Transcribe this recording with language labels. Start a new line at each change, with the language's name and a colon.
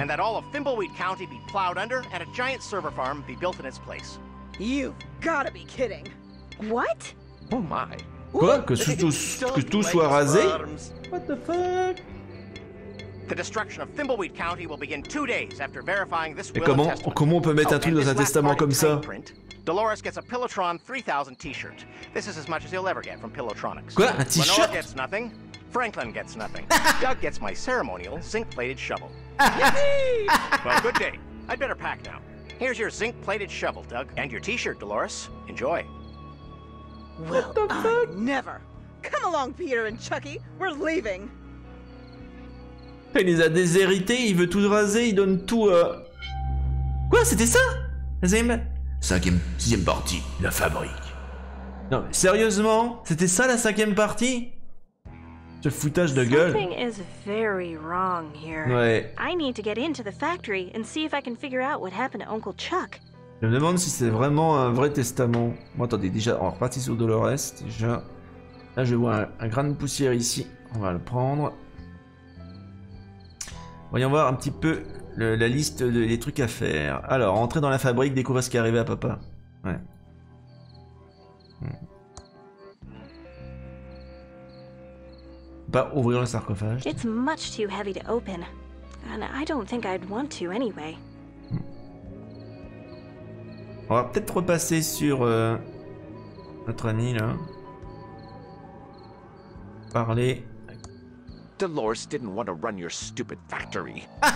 English: And that all of Thimbleweed County be plowed under and a giant server farm be built in its place. You've gotta be kidding. What? Oh my.
French: Quoi? Que tout soit rasé?
English: What the fuck? The destruction of Thimbleweed County will begin 2 days after verifying this will.
French: Et comment on peut mettre un truc dans un testament comme ça?
English: Print, Dolores gets a Pillowtron 3000 t-shirt. This is as much as he'll ever get from Pillowtronics.
French: Quoi? Un t-shirt?
English: Franklin gets nothing. Doug gets my ceremonial zinc-plated shovel. Well, good day. I'd better pack now. Here's your zinc-plated shovel, Doug, and your t-shirt, Dolores. Enjoy. Well, what the fuck? Never. Come along, Peter and Chucky. We're leaving.
French: Il les a déshérités, il veut tout raser, il donne tout Quoi, c'était ça? Cinquième partie, la fabrique. Non, sérieusement? C'était ça la cinquième partie? Ce foutage de gueule.
English: Something is very wrong here.
French: Ouais.
English: I need to get into the factory and see if I can figure out what happened to Uncle Chuck.
French: Je me demande si c'est vraiment un vrai testament. Bon, attendez, déjà, on repartit sur Dolores. Déjà, là, je vois un grain de poussière ici. On va le prendre. Voyons voir un petit peu la liste des trucs à faire. Alors, entrer dans la fabrique, découvrir ce qui est arrivé à papa. Ouais. Bah, ouvrir le sarcophage.
English: It's much too heavy to open. And I don't think I'd want to anyway.
French: On va peut-être repasser sur notre ami là. Parler.
English: Dolores didn't want to run your stupid factory.